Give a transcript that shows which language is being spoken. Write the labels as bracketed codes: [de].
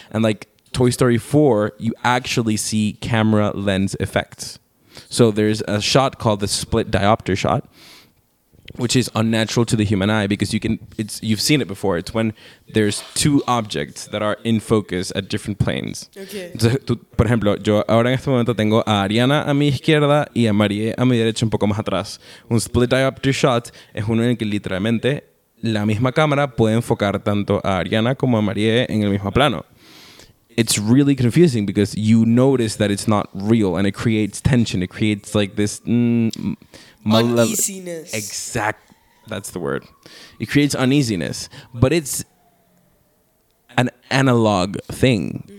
[en] And like Toy Story 4, you actually see camera lens effects. So there's a shot called the split diopter shot, which is unnatural to the human eye, because you can, it's, you've seen it before. It's when there's two objects that are in focus at different planes. Okay. [es] Entonces, tú, por ejemplo, yo ahora en este momento tengo a Ariana a mi izquierda y a Marie a mi derecha un poco más atrás. Un split diopter shot es uno en el que literalmente la misma cámara puede enfocar tanto a Ariana como a Marie en el mismo plano. [en] It's really confusing because you notice that it's not real and it creates tension. It creates like this... uneasiness. Exact. That's the word. It creates uneasiness. But it's an analog thing. Mm-hmm.